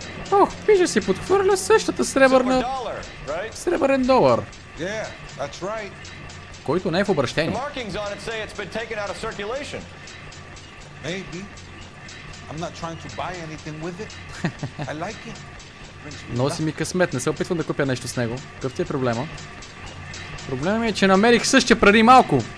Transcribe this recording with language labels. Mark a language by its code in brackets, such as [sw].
[bg] Oh, пише си подхвърля същата сребърна... [en] Silver dollar, right? [bg] Сребърен долар. [en] Yeah, that's right. [bg] Който не е в обръщение. [en] The markings on it say it's been taken out of circulation. Maybe. I'm not trying to buy anything with it. I like it. [bg] Носи ми късмет, не се опитвам да купя нещо с него. Какъв ти е проблема? Проблемът ми е, че намерих същия преди малко.